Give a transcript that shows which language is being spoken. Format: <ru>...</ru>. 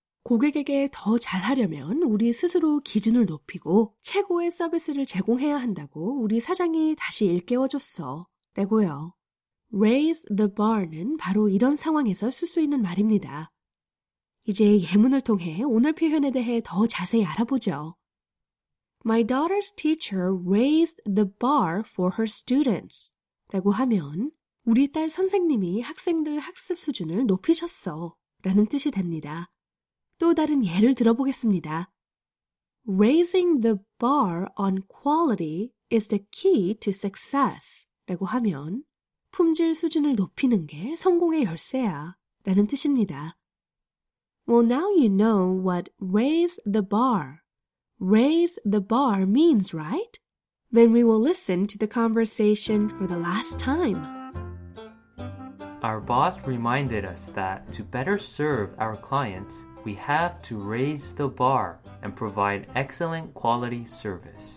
<ko>고객에게 더 잘하려면 우리 스스로 기준을 높이고 최고의 서비스를 제공해야 한다고 우리 사장이 다시 일깨워줬어 라고요.</ko> <en>Raise the bar</en> <ko>는 바로 이런 상황에서 쓸 수 있는 말입니다. 이제 예문을 통해 오늘 표현에 대해 더 자세히 알아보죠.</ko> <en>My daughter's teacher raised the bar for her students.</en> <ko>라고 하면 우리 딸 선생님이 학생들 학습 수준을 높이셨어 라는 뜻이 됩니다. 또 다른 예를 들어보겠습니다.</ko> <en>Raising the bar on quality is the key to success.</en> <ko>라고 하면 품질 수준을 높이는 게 성공의 열쇠야 라는 뜻입니다.</ko> <en>Well, now you know what raise the bar means, right? Then we will listen to the conversation for the last time. Our boss reminded us that to better serve our clients, we have to raise the bar and provide excellent quality service.</en>